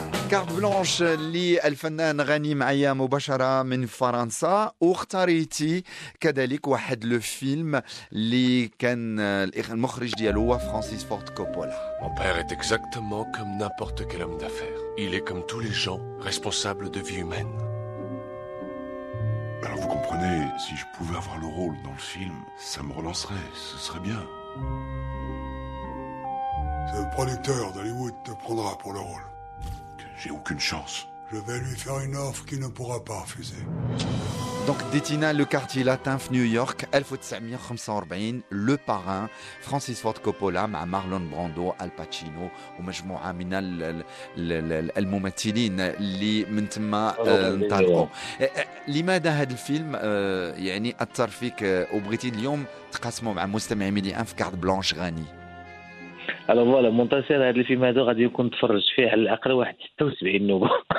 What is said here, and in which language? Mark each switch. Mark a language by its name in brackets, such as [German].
[Arabic] كارت بلانش للفنان غني معايا مباشرة من فرنسا، واختاريتي كذلك واحد لو فيلم اللي كان المخرج ديالو هو فرانسيس فورد كوبولا. [French] Mon père est exactement comme n'importe quel homme d'affaires. Il est comme tous les gens, responsable de vie humaine. Alors vous comprenez, si je pouvais avoir le rôle dans le film, ça me relancerait, ce serait bien. C'est le producteur d'Hollywood te prendra pour le rôle. J'ai aucune chance. Je vais lui faire une offre qu'il ne pourra pas refuser. [Arabic] Donc, Détina, le quartier latin, New York, 1945, le parrain, Francis Ford Coppola, مع Marlon Brando, Al Pacino, ومجموعة من الممثلين اللي من تما انطلقوا. لماذا هذا الفيلم يعني أثر فيك وبغيتي اليوم تقاسمه مع مستمعي ميدي أن في كارت بلانش غني؟ الو فوالا منتصر هذا الفيلم هذا غادي يكون تفرج فيه على الاقل واحد 76 نوبه.